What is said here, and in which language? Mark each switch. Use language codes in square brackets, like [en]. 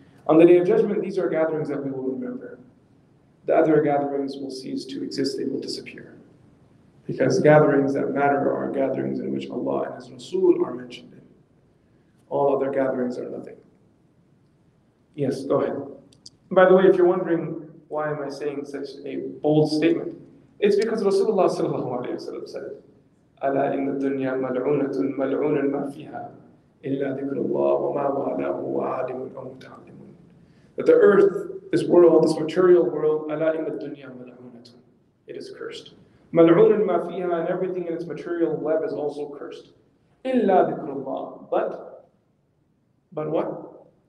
[en] On the Day of Judgment, these are gatherings that we will remember. The other gatherings will cease to exist, they will disappear. Because gatherings that matter are gatherings in which Allah and His Rasul are mentioned in. All other gatherings are nothing. Yes, go ahead. By the way, if you're wondering, why am I saying such a bold statement? It's because Rasulullah sallallahu alayhi wa sallam said, [ar] أَلَا إِنَّ الدُّنْيَا مَلْعُونَةٌ مَلْعُونًا مَا فِيهَا إِلَّا ذِكْرُ اللَّهُ وَمَا وَعَلَهُ وَعَالِمٌ أَوْ مُتَعْلِمٌ. [en] That the earth, this world, this material world, [ar] أَلَا إِنَّ الدُّنْيَا مَلْعُونَةٌ, [en] it is cursed. [ar] مَلْعُونًا مَا فِيهَا, [en] and everything in its material web is also cursed. [ar] إِلَّا ذِكْرُ اللَّهُ, [en] but what?